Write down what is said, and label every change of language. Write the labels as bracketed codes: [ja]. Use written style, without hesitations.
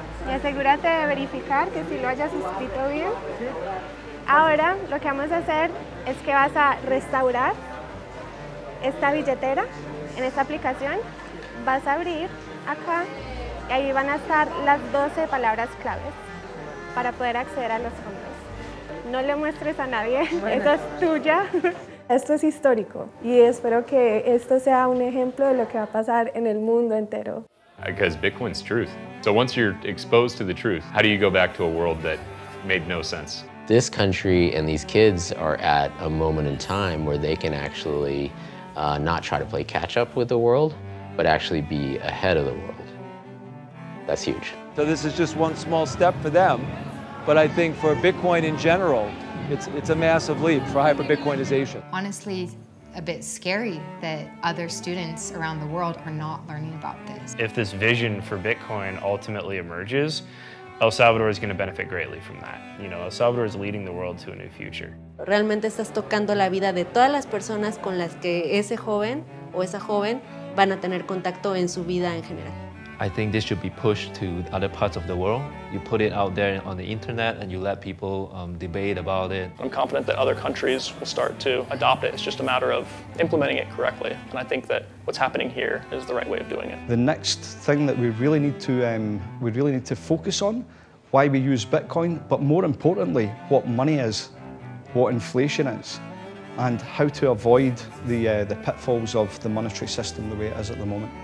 [es] Y asegúrate de verificar que si lo hayas escrito bien. Ahora lo que vamos a hacer es que vas a restaurar esta billetera, en esta aplicación, vas a abrir acá y ahí van a estar las 12 palabras claves para poder acceder a los fondos. No le muestres a nadie, bueno. Esa es tuya. Esto es histórico y espero que esto sea un ejemplo de lo que va a pasar en el mundo entero. [en] Because Bitcoin's truth. So once you're exposed to the truth, how do you go back to a world that made no sense? This country and these kids are at a moment in time where they can actually not try to play catch up with the world, but actually be ahead of the world. That's huge. So this is just one small step for them, but I think for Bitcoin in general, it's a massive leap for hyper-Bitcoinization. Honestly, a bit scary that other students around the world are not learning about this. If this vision for Bitcoin ultimately emerges, El Salvador is going to benefit greatly from that. You know, El Salvador is leading the world to a new future. [es] Realmente estás tocando la vida de todas las personas con las que ese joven o esa joven van a tener contacto en su vida en general. [en] I think this should be pushed to other parts of the world. You put it out there on the internet and you let people debate about it. I'm confident that other countries will start to adopt it. It's just a matter of implementing it correctly. And I think that what's happening here is the right way of doing it. The next thing that we really need to focus on, why we use Bitcoin, but more importantly, what money is, what inflation is, and how to avoid the pitfalls of the monetary system the way it is at the moment.